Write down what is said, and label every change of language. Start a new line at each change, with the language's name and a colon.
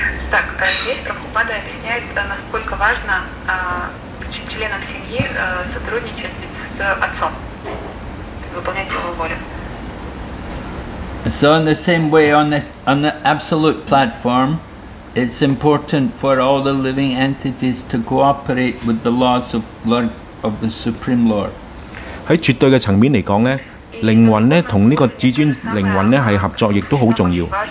Russian: Так, здесь Прабхупада объясняет, насколько важно членам семьи сотрудничать с отцом, выполнять его волю.
English: So in the same way, on the absolute platform, it's important for all the living entities to cooperate with the laws of Lord of the Supreme Lord.
Cantonese: 在絕對的層面來說呢，靈魂呢同呢個至尊靈魂呢係合作，亦都好重要。